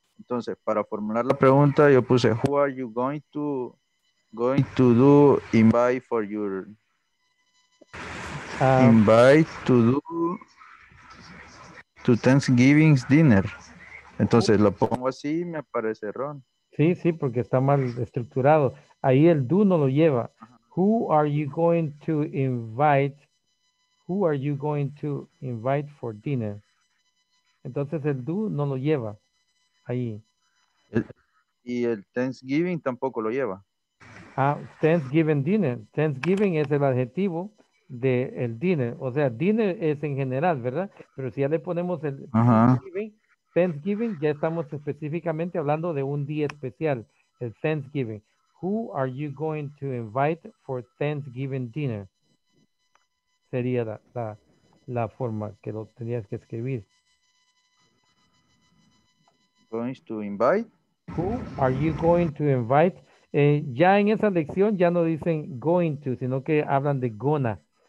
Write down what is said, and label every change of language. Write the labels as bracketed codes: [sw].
[es] Entonces, para formular la pregunta, yo puse, [en] who are you going to do invite for your invite to do to Thanksgiving dinner? [es] Entonces lo pongo así y me aparece Ron. Sí, porque está mal estructurado. Ahí el do no lo lleva. Uh-huh. [en] Who are you going to invite? Who are you going to invite for dinner? [es] Entonces el do no lo lleva ahí. Y el Thanksgiving tampoco lo lleva. Ah, Thanksgiving dinner. Thanksgiving es el adjetivo de el dinner. O sea, dinner es en general, ¿verdad? Pero si ya le ponemos el Thanksgiving, Thanksgiving, ya estamos específicamente hablando de un día especial, el Thanksgiving. [en] Who are you going to invite for Thanksgiving dinner? [es] Sería la forma que lo tenías que escribir. [en] Going to invite. Who are you going to invite? [es] Ya en esa lección ya no dicen going to, sino que hablan de gonna.